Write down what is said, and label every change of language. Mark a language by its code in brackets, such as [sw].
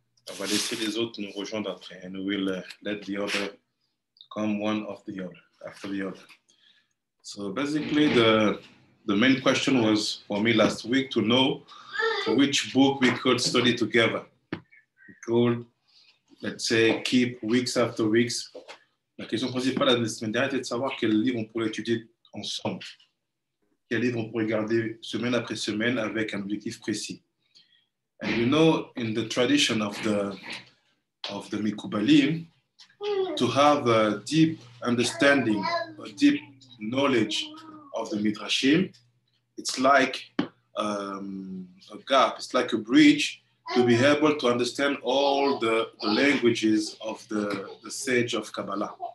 [fr] On va laisser les autres nous rejoindre après. [en] And we will let the other come one of the other, after the other. So basically, the main question was for me last week to know which book we could study together. We could, let's say, keep weeks after weeks. [fr] La question principale la semaine dernière était de savoir quel livre on pourrait étudier ensemble. Quel livre on pourrait garder semaine après semaine avec un objectif précis. [en] And you know, in the tradition of the Mikubalim, to have a deep understanding, a deep knowledge of the Midrashim, it's like a gap, it's like a bridge to be able to understand all the languages of the sage of Kabbalah.